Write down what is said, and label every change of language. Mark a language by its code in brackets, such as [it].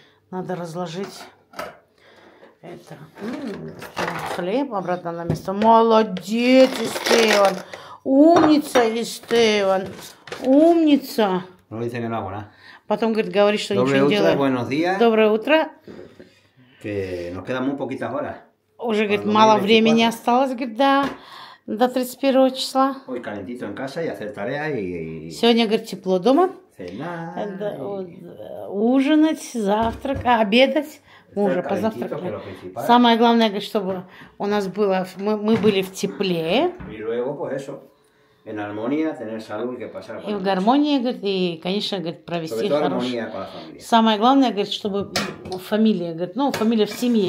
[ru] Надо разложить это. Хлеб обратно на место. Молодец, Эстеван. Умница, Эстеван. Умница. Потом говорит, говорит, что ничего не делает. Доброе утро, [es] buenos días. [ru] Доброе утро. [es] Que nos quedan muy poquitas horas. [ru] Уже, говорит, мало времени осталось, говорит, да, до 31 числа. [es] Ой, calentito en casa y hacer tarea y... [ru] Сегодня, говорит, тепло дома. Цена. Ужинать, завтрак, обедать. Мы уже позавтракали. Самое главное, чтобы у нас было, мы были в тепле. И [es] luego, pues eso. En armonía, tener salud y que pasar por. [ru] И в гармонии, говорит, и, конечно, говорит, провести хорошо. Самое главное, говорит, чтобы фамилия, говорит, ну, фамилия в семье.